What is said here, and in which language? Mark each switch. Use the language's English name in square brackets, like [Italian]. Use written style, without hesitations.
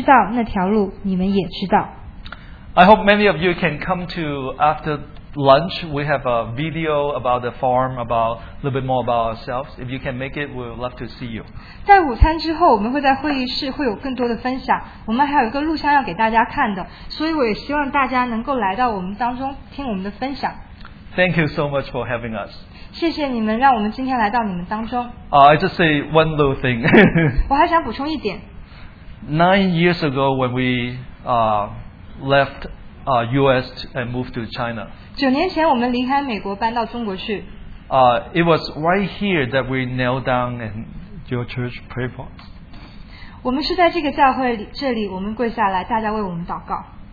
[Chinese] 你们心里不要忧愁，你们信神也当信我。在我父的家里有许多住处，若是没有，我就早已告诉你们了。我去原是为你们预备地方去。我若去为你们预备的地方，就必再来接你们到我那里去。我在哪里，叫你们也在哪里；我往哪里去，你们知道那条路，你们也知道。I [English] hope many of you can come to after lunch. We have a video about the farm, about a little bit more about ourselves. If you can make it, we would love to see you. [Chinese] 在午餐之后, 我们会在会议室会有更多的分享, 我们还有一个录像要给大家看的, 所以我也希望大家能够来到我们当中, 听我们的分享。 [English] Thank you so much for having us. [Chinese] 谢谢你们, 让我们今天来到你们当中。 [English] I just say one little thing. [Chinese] 我还想补充一点。 [English] 9 years ago when we left US and moved to China, [Chinese] 9年前我们离开美国搬到中国去。 [English] It was right here that we knelt down and your church prayed for us. [Chinese] 我们是在这个教会这里，我们跪下来，大家为我们祷告。